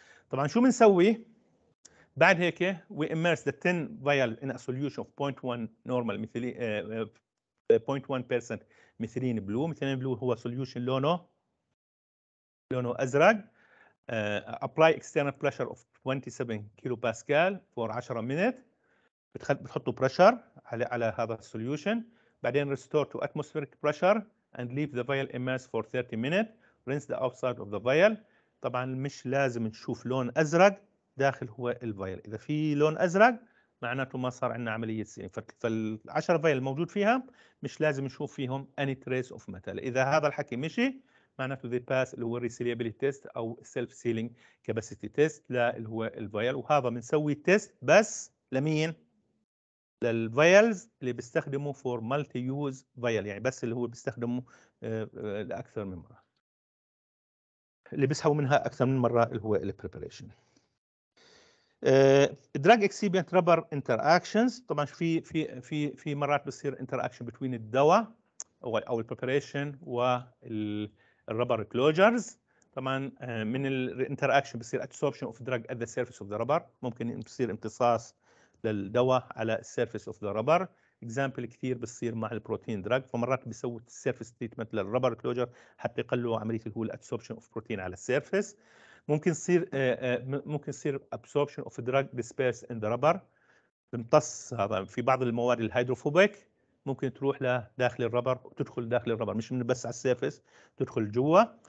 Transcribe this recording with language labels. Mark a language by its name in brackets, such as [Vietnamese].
[English] طبعا شو بنسوي بعد هيك؟ we immerse the 10 vial in a solution of 0.1 normal methylene 0.1% methylene blue. [Arabic] methylene blue هو solution لونه ازرق. [English] Apply external pressure of 27 kilopascal for 10 minutes. [Arabic] بتحطوا pressure على هذا solution. [English] بعدين restore to atmospheric pressure and leave the vial immersed for 30 minutes. Rinse the outside of the vial. [Arabic] طبعا مش لازم نشوف لون ازرق داخل هو الفايل. اذا في لون ازرق معناته ما صار عندنا عمليه سيلين. فال10 فايل الموجود فيها مش لازم نشوف فيهم any trace of metal. اذا هذا الحكي مشي ما [English] معناته they pass اللي هو resealability test أو self sealing capacity test لا اللي هو الفيال. [Arabic] وهذا بنسوي تيست بس لمين؟ للفيالز اللي بيستخدموا for multi use vial، يعني بس اللي هو بيستخدموا لأكثر من مرة، اللي بيسحبوا منها أكثر من مرة اللي هو ال preparation. Drug excipient rubber interactions، طبعا في في في في مرات بصير interaction between الدواء أو ال preparation وال rubber closures. [English] طبعا من ال interaction بصير adsorption of drug at the surface of the rubber، ممكن بصير امتصاص للدواء على surface of the rubber. [Arabic] example كثير بصير مع البروتين دراج، فمرات بيسووا surface treatment للربر كلوجر حتى يقللوا عملية اللي هو absorption of protein على surface. ممكن يصير absorption of drug dispersed in the rubber، بمتص هذا في بعض المواد الهيدروفوبيك ممكن تروح لداخل الربر وتدخل داخل الربر، مش من بس على surface تدخل جوا.